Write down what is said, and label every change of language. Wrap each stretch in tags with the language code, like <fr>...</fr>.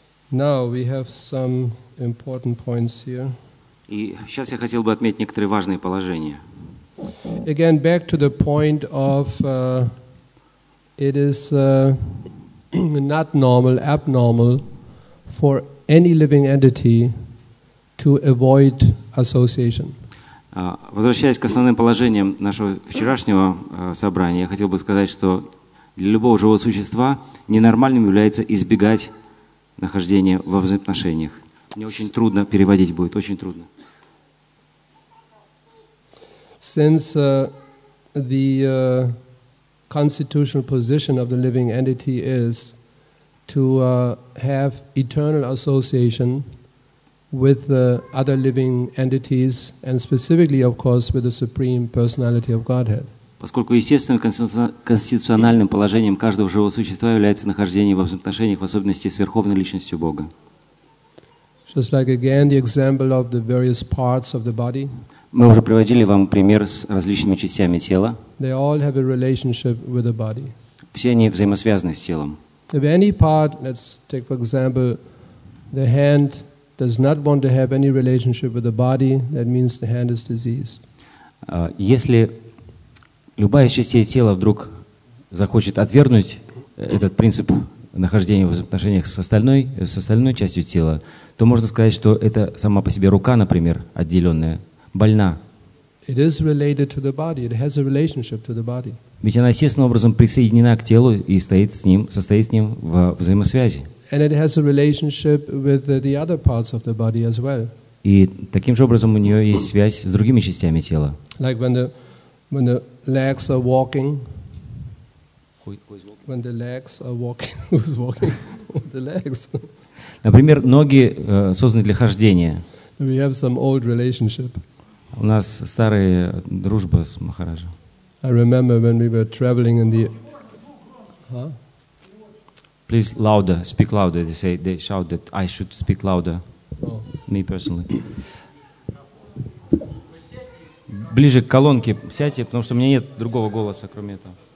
<en>Now we have some important points here.</en> <ru>И сейчас я хотел бы отметить некоторые важные положения.</ru> <en>Again, back to the point of it is not normal, abnormal for any living entity to avoid association.</en> <ru>Возвращаясь к основным положениям нашего вчерашнего собрания, я хотел бы сказать, что для любого живого существа ненормальным является избегать нахождения во взаимоотношениях. Мне очень трудно переводить будет, очень трудно.</ru> <en>Since the constitutional position of the living entity is to have eternal association with the other living entities, and specifically, of course, with the Supreme Personality of Godhead.</en> <ru>Поскольку естественным конституциональным положением каждого живого существа является нахождение во взаимоотношениях, в особенности с Верховной Личностью Бога.</ru> <en>Just like again the example of the various parts of the body.</en> <ru>Мы уже приводили вам пример с различными частями тела.</ru> <en>They all have a relationship with the body.</en> <ru>Все они взаимосвязаны с телом.</ru> <en>If any part, let's take for example, the hand does not want to have any relationship with the body, that means the hand is diseased.</en> <ru>Если любая из частей тела вдруг захочет отвергнуть этот принцип нахождения в отношениях с остальной частью тела, то можно сказать, что это сама по себе рука, например, отделенная, больна.</ru> <en>It is related to the body. It has a relationship to the body.</en> <ru>Ведь она естественным образом присоединена к телу и стоит с ним, состоит с ним в взаимосвязи.</ru> <en>And it has a relationship with the other parts of the body as well.</en> <ru>И таким же образом у нее есть связь с другими частями тела.</ru> <en>Like when the legs are walking. Who is walking? When the legs are walking. Who's walking? The legs.</en> <ru>Например, ноги созданы для хождения.</ru> <en>We have some old relationship.</en> <ru>У нас старая дружба с Махараджа.</ru> <en>I remember when we were traveling in the. Huh? Please louder, speak louder. They say they shout that I should speak louder. Oh. Me personally.</en> <ru>Ближе к колонке сядьте, потому что у меня нет другого голоса, кроме этого.</ru>